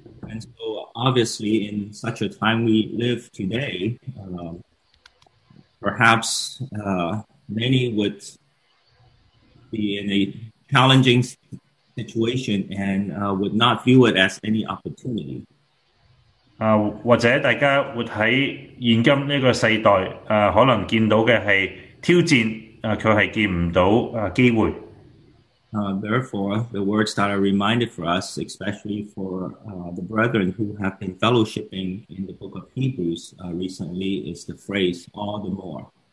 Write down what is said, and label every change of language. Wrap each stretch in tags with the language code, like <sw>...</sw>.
<en>And so obviously in such a time we live today, perhaps many would be in a challenging situation and would not view it as any opportunity.</en> <yue>或者大家活喺現今呢個世代，可能見到嘅係挑戰，卻係見唔到機會。</yue> <en>Therefore, the words that are reminded for us, especially for the brethren who have been fellowshipping in the book of Hebrews recently, is the phrase, all the more.</en>